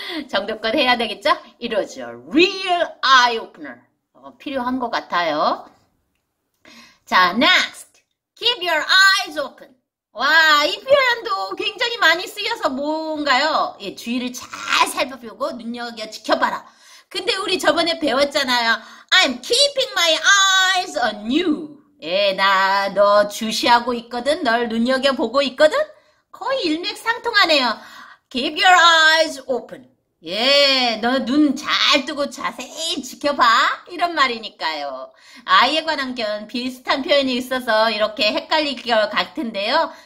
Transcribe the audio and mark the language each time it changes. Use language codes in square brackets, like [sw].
[ko] 정답껏 해야 되겠죠? [en] It was a real eye-opener. [ko] 필요한 것 같아요. 자, next. [en] Keep your eyes open. [ko] 와, 이 표현도 굉장히 많이 쓰여서 뭔가요? 예, 주위를 잘 살펴보고 눈여겨 지켜봐라. 근데 우리 저번에 배웠잖아요. [en] I'm keeping my eyes on you. [ko] 예, 나 너 주시하고 있거든. 널 눈여겨보고 있거든. 거의 일맥상통하네요. [en] Keep your eyes open. [ko] 예, 너 눈 잘 뜨고 자세히 지켜봐. 이런 말이니까요. 아이에 관한 견 비슷한 표현이 있어서 이렇게 헷갈릴 것 같은데요.